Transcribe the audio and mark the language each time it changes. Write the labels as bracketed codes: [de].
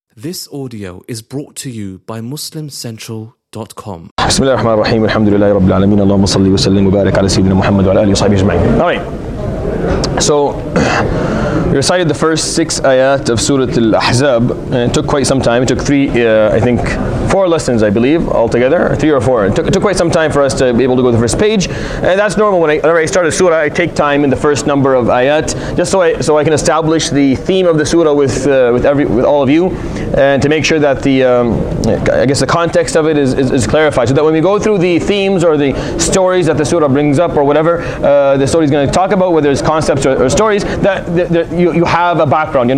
[en] This audio is brought to you by MuslimCentral.com. [ar] بسم الله الرحمن الرحيم الحمد لله رب العالمين اللهم صل وسلم وبارك على سيدنا محمد وعلى آله وصحبه أجمعين. [en] Alright. So we recited the first six ayat of Surah Al-Ahzab, and it took quite some time. It took four lessons, I believe, altogether, three or four. It took quite some time for us to be able to go to the first page. And that's normal. Whenever I start a surah, I take time in the first number of ayat, just so I can establish the theme of the surah with all of you, and to make sure that the context of it is clarified. So that when we go through the themes or the stories that the surah brings up or whatever the story is going to talk about, whether it's concepts or stories, that you have a background.